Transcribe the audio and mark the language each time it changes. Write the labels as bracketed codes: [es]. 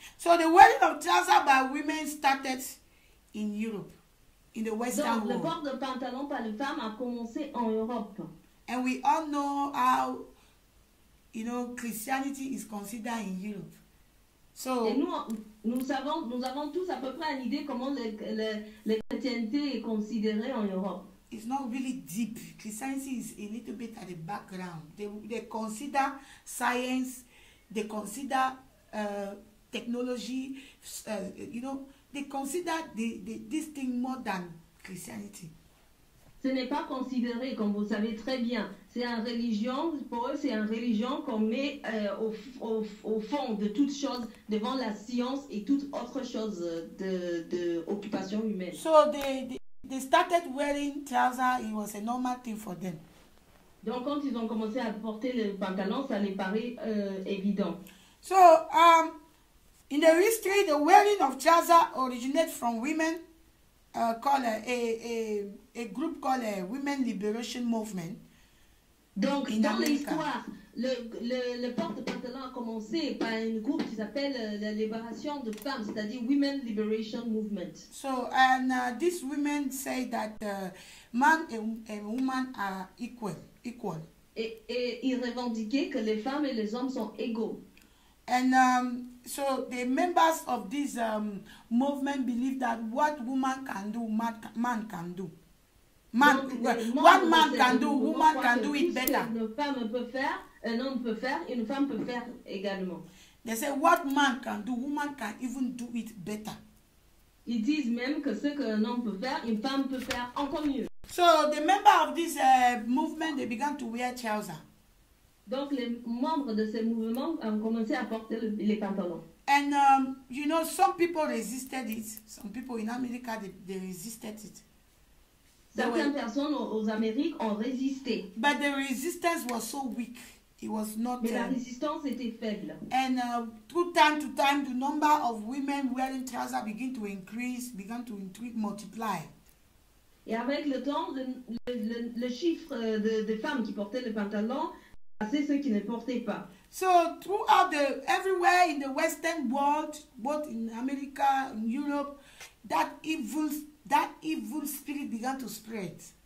[en] So the wearing of trousers by women started in Europe. In the Western world. [fr] Donc, le port de pantalon par les femmes a commencé en Europe. [en] And we all know how, you know, Christianity is considered in Europe. So, [fr] et nous avons tous à peu près une idée comment le chrétienté est considéré en Europe. [en] It's not really deep. Christianity is a little bit at the background. They consider science, they consider technology, you know, they consider this thing more than Christianity. [fr] Ce n'est pas considéré, comme vous savez très bien. C'est une religion, pour eux, c'est une religion qu'on met au fond de toutes choses, devant la science et toute autre chose de occupation humaine. [en] So they started wearing trousers, it was a normal thing for them. [fr] Donc quand ils ont commencé à porter le pantalon, ça les paraît évident. [en] So, in the history, the wearing of trousers originated from women called a group called a Women Liberation Movement. [fr] Donc, dans l'histoire, le porte-pantalon a commencé par un groupe qui s'appelle la libération de femmes, c'est-à-dire Women Liberation Movement. [en] So, and these women say that man and woman are equal. [fr] Et ils revendiquaient que les femmes et les hommes sont égaux. [en] And so the members of this movement believe that what woman can do, man can do. Man, what man can do, woman can do it better. [fr] Une femme peut faire, un homme peut faire, une femme peut faire également. [en] They say what man can do, woman can even do it better. [fr] Ils disent même que ce que un homme peut faire, une femme peut faire encore mieux. [en] So the members of this movement, they began to wear trousers. [fr] Donc les membres de ce mouvement ont commencé à porter les pantalons. [en] And you know, some people resisted it. Some people in America, they resisted it. [fr] Certaines personnes aux Amériques ont résisté. [en] But the resistance was so weak. It was not. [fr] Mais la résistance était faible. [en] And through time to time, the number of women wearing trousers began to increase, began to multiply. [fr] Et avec le temps, le chiffre de femmes qui portaient le pantalon passait ceux qui ne portaient pas. [en] So throughout the everywhere in the Western world, both in America, in Europe, that evil spirit began to spread.